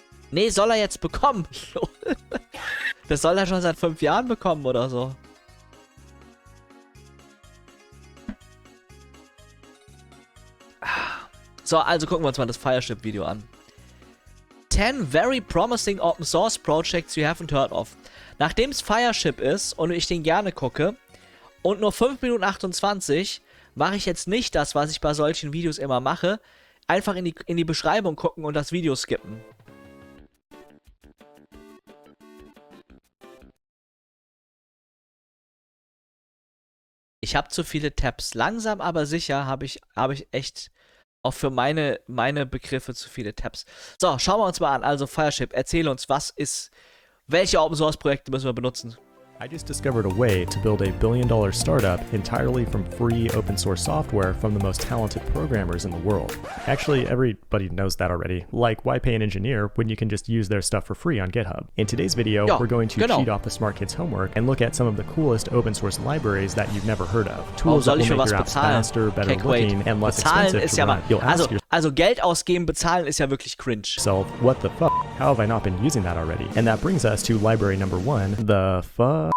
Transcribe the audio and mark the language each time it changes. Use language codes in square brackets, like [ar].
[de] Nee, soll er jetzt bekommen? Das soll er schon seit 5 Jahren bekommen oder so. So, also gucken wir uns mal das Fireship-Video an. [en] 10 very promising open source projects you haven't heard of. [de] Nachdem es Fireship ist und ich den gerne gucke und nur 5 Minuten 28, mache ich jetzt nicht das, was ich bei solchen Videos immer mache. Einfach in die Beschreibung gucken und das Video skippen. Ich habe zu viele Tabs. Langsam, aber sicher habe ich echt auch für meine Begriffe zu viele Tabs. So, schauen wir uns mal an. Also Fireship, erzähl uns, welche Open Source Projekte müssen wir benutzen? [en] I just discovered a way to build a billion-dollar startup entirely from free open source software from the most talented programmers in the world. Actually, everybody knows that already. Like, why pay an engineer when you can just use their stuff for free on GitHub? In today's video, we're going to cheat off the smart kids' homework and look at some of the coolest open source libraries that you've never heard of. Tools that will make your apps faster, better looking, and less expensive to run. [de] Also Geld ausgeben, bezahlen ist ja wirklich cringe. [en] So, what the fuck? How have I not been using that already? And that brings us to library number one, the fuck?